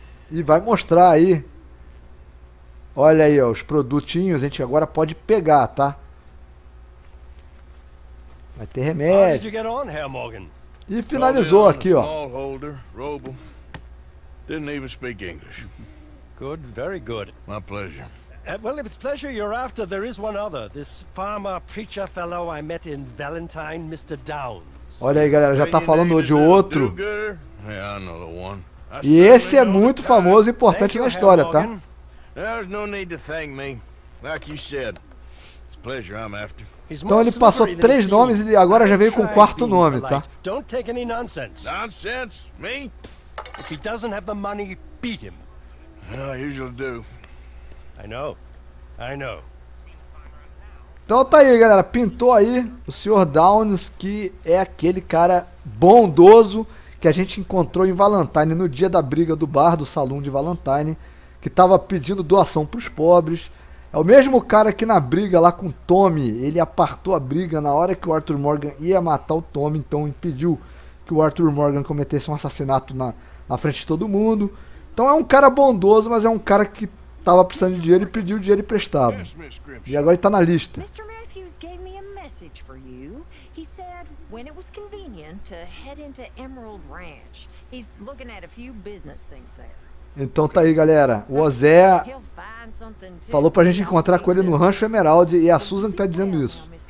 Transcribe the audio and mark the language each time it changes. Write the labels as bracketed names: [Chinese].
[Portuguese] E vai mostrar aí. Olha aí, ó, os produtinhos a gente agora pode pegar, tá? Vai ter remédio. Como você chegou aqui, Morgan? E finalizou aqui, ó. [English] Smallholder, robo. Didn't even speak English. Good, very good. My pleasure. Well, if it's pleasure you're after, there is one other. This farmer preacher fellow I met in Valentine, Mr. Downs. [Portuguese] Olha aí, galera, já tá falando de outro. [English] Yeah, I know the one. [Portuguese] E esse é muito famoso e importante na história, tá? [English] There's no need to thank me. Like you said, it's pleasure I'm after. [Portuguese] Então ele passou 3 nomes e agora já veio com 4º nome, tá? [English] Don't take any nonsense. Nonsense? Me? If he doesn't have the money, beat him. I usually do. I know. [Portuguese] Então tá aí, galera. Pintou aí o Sr. Downs, que é aquele cara bondoso que a gente encontrou em Valentine no dia da briga do bar, do salão de Valentine, que tava pedindo doação pros pobres. É o mesmo cara que na briga lá com o Tommy, ele apartou a briga na hora que o Arthur Morgan ia matar o Tommy, então impediu que o Arthur Morgan cometesse um assassinato na frente de todo mundo. Então é um cara bondoso, mas é um cara que tava precisando de dinheiro e pediu dinheiro emprestado. E agora ele tá na lista. [English] Mr. Matthews gave me a message for you. He said when it was convenient to head into Emerald Ranch. He's looking at a few business things there. [Portuguese] Então tá aí, galera. O Ozé falou pra gente encontrar com ele no Rancho Emerald e a Susan que tá dizendo isso.